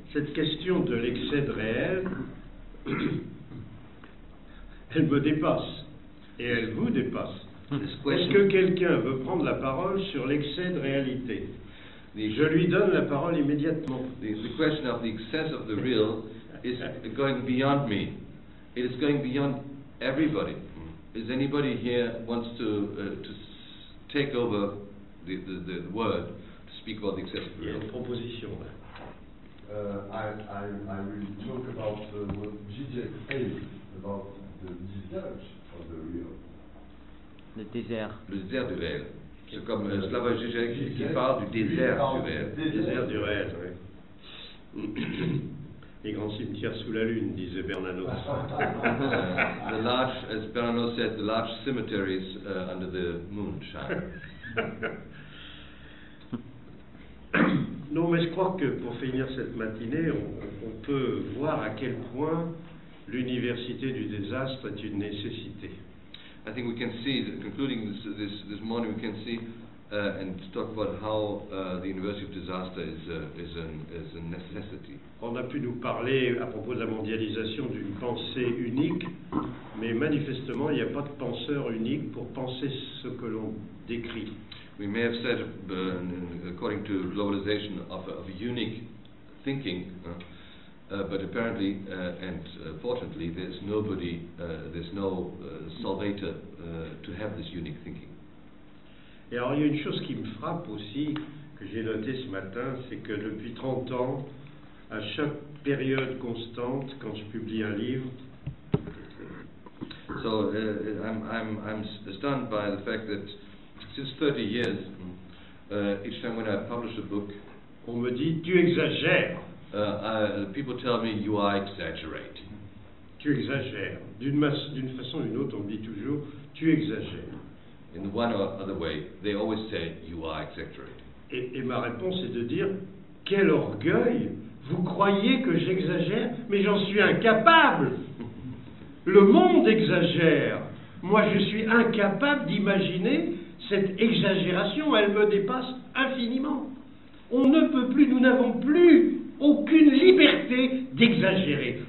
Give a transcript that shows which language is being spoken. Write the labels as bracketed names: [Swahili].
[French] Cette question de l'excès de réel, elle me dépasse. Et elle vous dépasse. Est-ce que quelqu'un veut prendre la parole sur l'excès de réalité? Je lui donne la parole immédiatement. [English] The question of the excess of the real is going beyond me. It is going beyond everybody. Is anybody here wants to take over the word to speak about the excess of the real? [French] Il y a une proposition là. [English] I will talk about what Zizek says about the desert of the real. [French] Le désert. Le désert du réel. Okay. C'est comme Slavoj Žižek qui parle du désert du réel. Désert du réel, oui. Les grands cimetières sous la lune, disait Bernanos. [English] The large, as Bernanos said, the large cemeteries under the moonshine. [French] Non, mais je crois que pour finir cette matinée, on peut voir à quel point l'université du désastre est une nécessité. [English] I think we can see, concluding this morning, we can see and talk about how the university of disaster is a necessity. [French] On a pu nous parler à propos de la mondialisation d'une pensée unique, mais manifestement, il n'y a pas de penseur unique pour penser ce que l'on décrit. [English] We may have said, according to globalization, of unique thinking, but apparently and fortunately, there's no salvator to have this unique thinking. [French] Et alors, il y a une chose qui me frappe aussi, que j'ai noté ce matin, c'est que depuis 30 ans, à chaque période constante, quand je publie un livre, [English] so I'm stunned by the fact that since 30 years, each time when I publish a book, [French] on me dit tu exagères. [English] People tell me you are exaggerating. [French] Tu exagères. D'une façon ou d'une autre, on me dit toujours tu exagères. [English] In one or other way, they always say you are exaggerating. [French] Et ma réponse est de dire quel orgueil. Vous croyez que j'exagère, mais j'en suis incapable. Le monde exagère. Moi, je suis incapable d'imaginer cette exagération. Elle me dépasse infiniment. On ne peut plus, nous n'avons plus aucune liberté d'exagérer.